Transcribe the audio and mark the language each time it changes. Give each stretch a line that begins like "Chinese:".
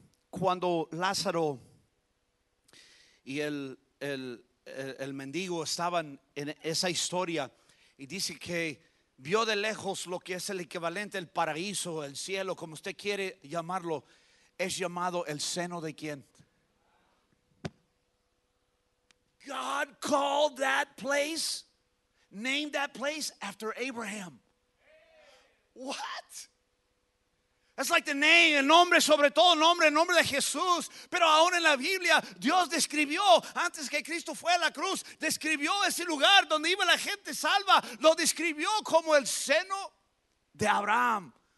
Spanish: Cuando Lázaro y el mendigo estaban en esa historia, y dice que vio de lejos lo que es el equivalente, el paraíso, el cielo, como usted quiere llamarlo, es llamado el seno de quién.
English: God called that place, named that place after Abraham. What? It's like the name,
Spanish: el nombre sobre todo, el nombre de Jesús. Pero aún en la Biblia, Dios describió, antes que Cristo fue a la cruz, describió ese lugar donde iba la gente salva, lo describió como el seno de Abraham.